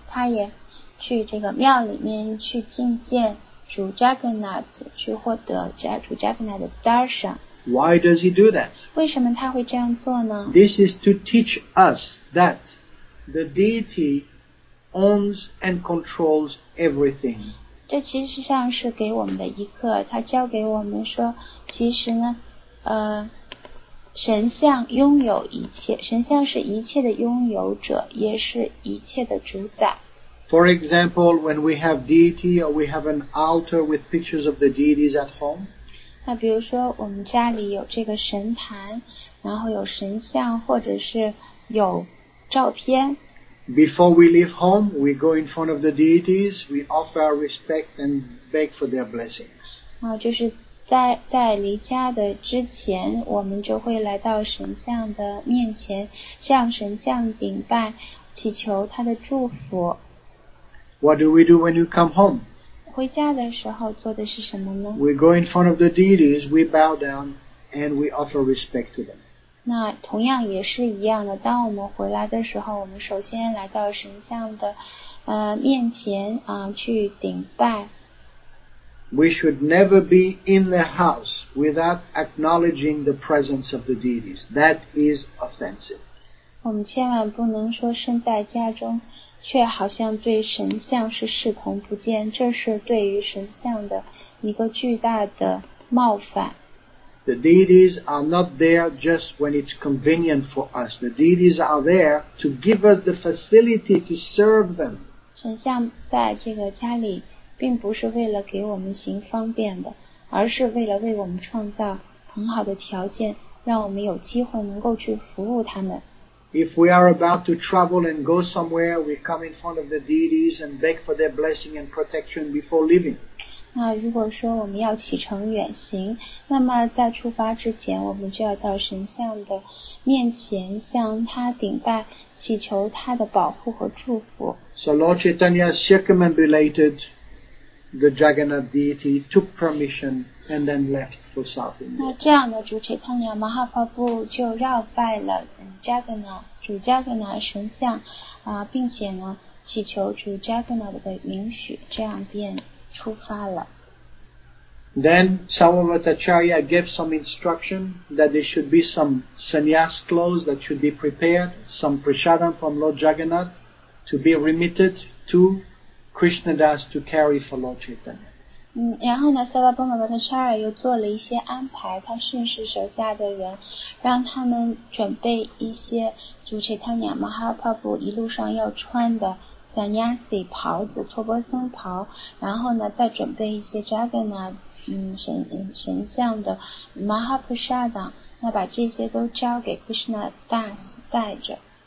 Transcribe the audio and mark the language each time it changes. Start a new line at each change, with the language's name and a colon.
Chinese: 他也去这个庙里面去觐见主 Jagannath， 去获得主 Jagannath 的 darshan。
English: Why does he do that？
Chinese: 为什么他会这样做呢
English: ？This is to teach us that the deity owns and controls everything。
Chinese: 这其实上是给我们的一课，他教给我们说，其实呢，神像拥有一切，神像是一切的拥有者，也是一切的主宰。
English: For example, when we have deity or we have an altar with pictures of the deities at home.
Chinese: 那比如说我们家里有这个神坛，然后有神像，或者是有照片。
English: Before we leave home, we go in front of the deities, we offer our respect and beg for their blessings.
Chinese: 就是在离家的之前，我们就会来到神像的面前，向神像顶拜，祈求他的祝福。
English: What do we do when you come home?
Chinese: 回家的时候做的是什么呢？
English: We go in front of the deities, we bow down, and we offer respect to them.
Chinese: 那同样也是一样的，当我们回来的时候，我们首先来到神像的面前去顶拜。
English: We should never be in the house without acknowledging the presence of the deities. That is offensive.
Chinese: 我们千万不能说身在家中却好像对神像是视同不见，这是对于神像的一个巨大的冒犯。
English: The deities are not there just when it's convenient for us. The deities are there to give us the facility to serve them.
Chinese: 神像在这个家里并不是为了给我们行方便的，而是为了为我们创造很好的条件，让我们有机会能够去服务他们。
English: If we are about to travel and go somewhere, we come in front of the deities and beg for their blessing and protection before leaving.
Chinese: 那如果说我们要启程远行，那么在出发之前，我们就要到神像的面前向他顶拜，祈求他的保护和祝福。
English: So Lord Chaitanya circumambulated the Jagannath deity, took permission, and then left for South India.
Chinese: 那这样的主 Chaitanya Mahaprabhu 就绕拜了 Jagannath 主加格纳神像啊，并且呢祈求主加格纳的允许，这样便出发了。
English: Then Samavatacharya gave some instruction that there should be some sannyas clothes that should be prepared, some prasadam from Lord Jagannath to be remitted to Krishna Das to carry for Lord Chaitanya.
Chinese: 然后呢 Samavatacharya 又做了一些安排，他训示手下的人，让他们准备一些主 Chaitanya Mahaprabhu 一路上要穿的sannyasi 袍子，托钵僧袍，然后呢再准备一些 Jagannath神像的 Mahaprasadam， 那把这些都交给 Krishna Das 带着。